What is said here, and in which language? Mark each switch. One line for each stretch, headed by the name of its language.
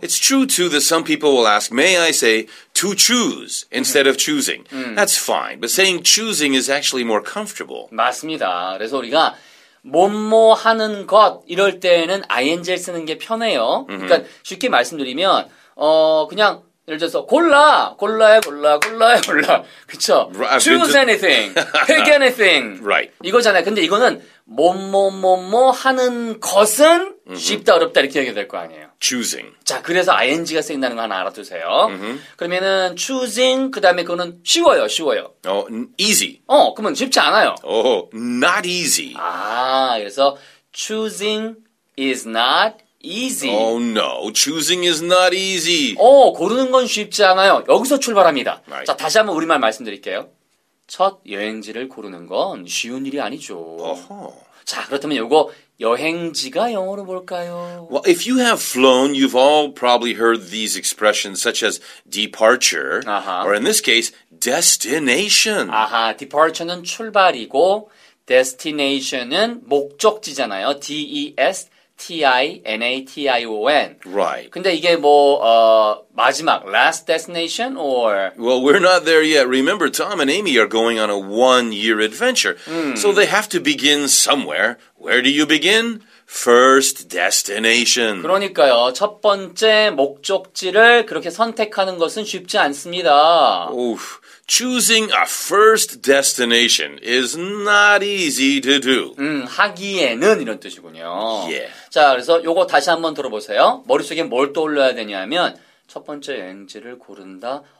English: It's true, too, that some people will ask, may I say, to choose, instead of choosing. That's fine. But saying choosing is actually more comfortable.
Korean: 맞습니다. 그래서 우리가, 뭐뭐 하는 것, 이럴 때에는 ing을 쓰는 게 편해요. Mm-hmm. 그러니까 쉽게 말씀드리면, 그냥, 예를 들어서 골라, 골라야 골라, 골라야 골라, 그렇죠?
English: Choose anything, pick anything. Right.
Korean: 이거잖아요. 근데 이거는 뭐뭐뭐뭐 하는 것은 쉽다 어렵다 이렇게 얘기해야 될 거 아니에요.
English: Choosing.
Korean: 자, 그래서 ing가 생긴다는 거 하나 알아두세요. Mm-hmm. 그러면은 choosing, 그다음에 그거는 쉬워요, 쉬워요.
English: Easy.
Korean: 그러면 쉽지 않아요.
English: Not easy.
Korean: 아, 그래서
English: choosing is not easy. Oh no, choosing is not easy.
Korean: 고르는 건 쉽지 않아요. 여기서 출발합니다.
English: Right.
Korean: 자, 다시 한번 우리말 말씀드릴게요. 첫 여행지를 고르는 건 쉬운 일이 아니죠. Uh-huh. 자, 그렇다면 요거 여행지가 영어로 뭘까요?
English: Well, if you have flown, you've all probably heard these expressions such as departure, uh-huh. or in this case, destination.
Korean: 아하, departure는 출발이고, destination은 목적지잖아요.
English: D-E-S T-I-N-A-T-I-O-N. Right.
Korean: 근데 이게 뭐, 마지막,
English: last destination or? Well, we're not there yet. Remember, Tom and Amy are going on a one-year adventure. So they have to begin somewhere. Where do you begin? First destination.
Korean: 그러니까요. 첫 번째 목적지를 그렇게 선택하는 것은 쉽지 않습니다. Oof.
English: Choosing a first destination is not easy to do.
Korean: 하기에는 이런 뜻이군요.
English: Yeah.
Korean: 자, 그래서 요거 다시 한번 들어보세요. 머릿속에 뭘 떠올려야 되냐면 첫 번째 여행지를 고른다.